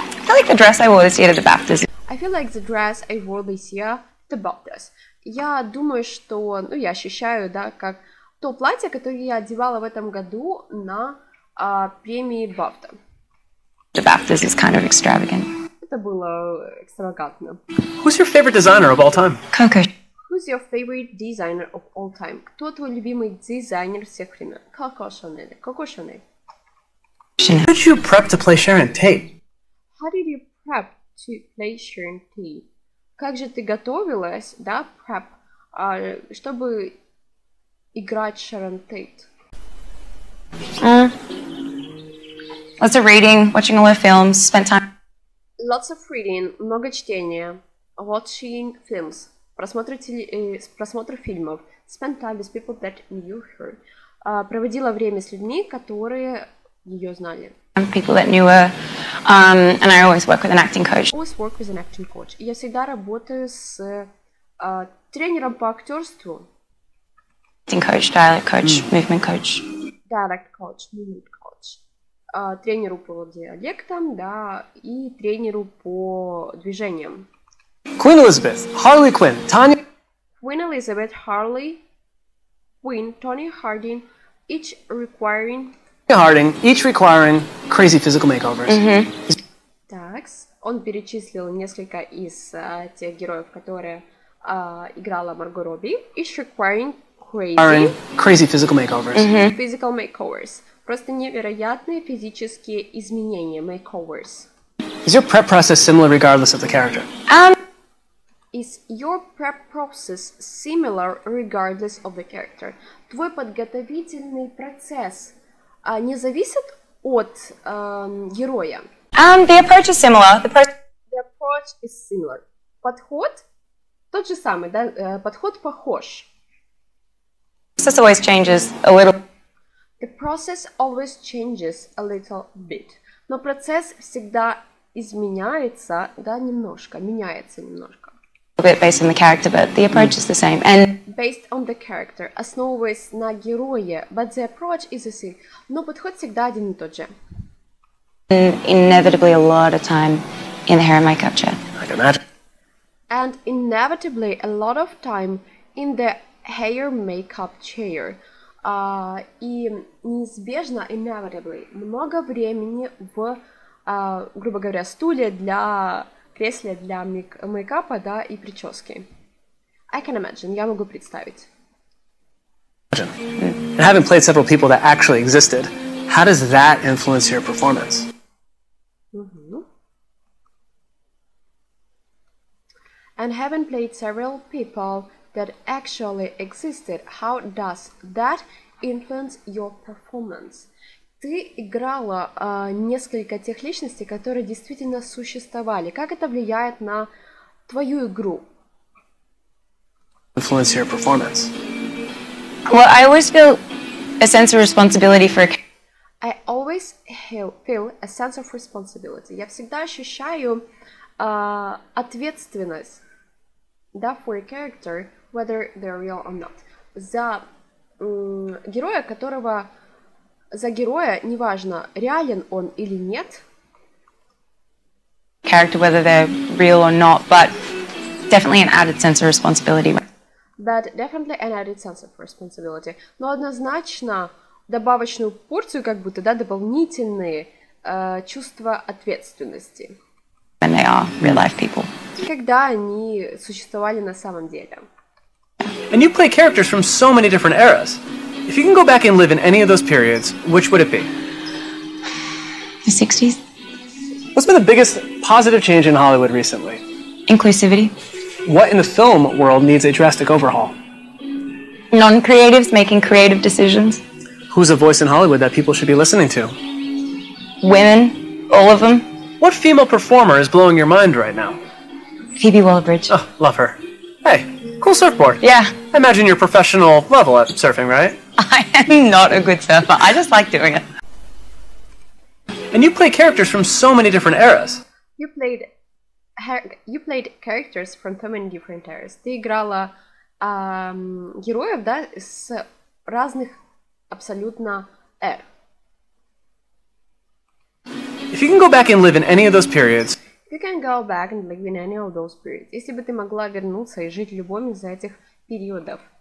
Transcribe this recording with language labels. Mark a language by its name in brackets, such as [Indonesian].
[English] I like the dress I wore this year at the baptism. I feel like the dress I wore this year to baptism. [Russian] Я думаю, что, ну, я ощущаю, да, как то платье, которое я одевала в этом году на премии BAFTA. [English] The baptism is kind of extravagant. [Russian] Это было экстравагантно. [English] Who's your favorite designer of all time? Coco. Who's your favorite designer of all time? [Russian] Кто твой любимый дизайнер всех времен? [English] Coco Chanel. Coco Chanel. How did you prep to play Sharon Tate? How did you prep to play Sharon Tate? [Russian] Как же ты готовилась, да, prep, чтобы играть Sharon Tate? [English] Lots of reading, watching a lot of films, spent time. Lots of reading, [Russian] много чтения, [English] watching films, [Russian] просмотр фильмов, [English] spent time with people that knew her. [Russian] Проводила время с людьми, которые ее знали. [English] People that knew her. And I always work with an acting coach. Always work with an acting coach. [Russian] Я всегда работаю с тренером по актерству. [English] Acting coach, dialect coach, movement coach. Dialect coach, movement coach. [Russian] Тренеру по диалектам, да, и тренеру по движениям. [English] Queen Elizabeth, Harley Quinn, Tony. Queen Elizabeth, Harley Quinn, Tony Harding, each requiring. Harding, each requiring crazy physical makeovers. Mm-hmm. [Russian] Так, он перечислил несколько из тех героев, которые играла Марго Робби. [English] Each requiring crazy physical makeovers. Mm-hmm. Physical makeovers. [Russian] Просто невероятные физические изменения, makeovers. [English] Is your prep process similar regardless of the character? Is your prep process similar regardless of the character? Твой подготовительный процесс не зависит от героя? The approach is similar. The approach is similar. [Russian] Подход тот же самый, да? Подход похож. [English] Process always changes a little. The process always changes a little bit. [Russian] Но процесс всегда изменяется, да, немножко, меняется немножко. [English] A bit based on the character, but the approach is the same. And based on the character, [Russian] основываясь на герое, [English] but the approach is the same. [Russian] Но подход всегда один и тот же. [English] And inevitably, a lot of time in the hair and makeup chair. I can imagine. And inevitably, a lot of time in the hair makeup chair. [Russian] И неизбежно, inevitably, много времени в, грубо говоря, стуле для кресле для мейкапа, да, и прически. [English] I can imagine, [Russian] я могу представить. [English] And having played several people that actually existed, how does that influence your performance? And having played several people that actually existed, how does that influence your performance? [Russian] Ты играла несколько тех личностей, которые действительно существовали. Как это влияет на твою игру? [English] Influence your performance. Well, I always feel a sense of responsibility for. I always feel a sense of responsibility. [Russian] Я всегда ощущаю ответственность, да, [English] for a character, whether they're real or not. [Russian] За героя, которого за героя, неважно, реален он или нет. [English] Character, whether they're real or not, but definitely an added sense of responsibility. But definitely an added sense of responsibility. [Russian] Но однозначно добавочную порцию, как будто, да, дополнительные чувства ответственности. [English] When they are real life people. [Russian] Когда они существовали на самом деле. [English] And you play characters from so many different eras. If you can go back and live in any of those periods, which would it be? The 60s. What's been the biggest positive change in Hollywood recently? Inclusivity. What in the film world needs a drastic overhaul? Non-creatives making creative decisions. Who's a voice in Hollywood that people should be listening to? Women, all of them. What female performer is blowing your mind right now? Phoebe Waller-Bridge. Oh, love her. Hey, cool surfboard. Yeah. I imagine you're professional level at surfing, right? I am not a good surfer. I just like doing it. And you play characters from so many different eras. You played characters from so many different eras. [Russian] Ты играла героев, да, с разных абсолютно эр. [English] If you can go back and live in any of those periods. If you can go back and live in any of those periods. [Russian] Если бы ты могла вернуться и жить в любом из этих периодов.